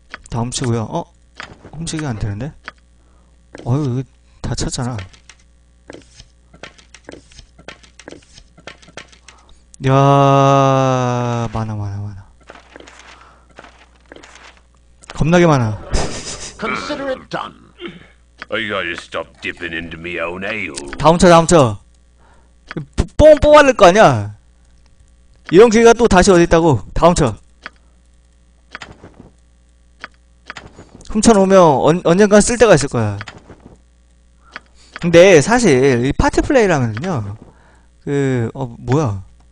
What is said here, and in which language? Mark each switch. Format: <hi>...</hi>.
<ko>다 훔치고요. 어? 훔치기 안 되는데? 어휴 이거 다 찼잖아. 야 많아 많아 많아 겁나게 많아.</ko> <en>Consider it done. I gotta stop dipping into my own ale.</en> <ko>다음 차 다음 차. 뽕 뽑아낼 거 아니야. 이런 기회가 또 다시 어디 있다고. 다음 차. 훔쳐놓으면 언젠간 쓸 때가 있을 거야. 근데 사실 이 파티 플레이라면요. 그 어 뭐야.</ko>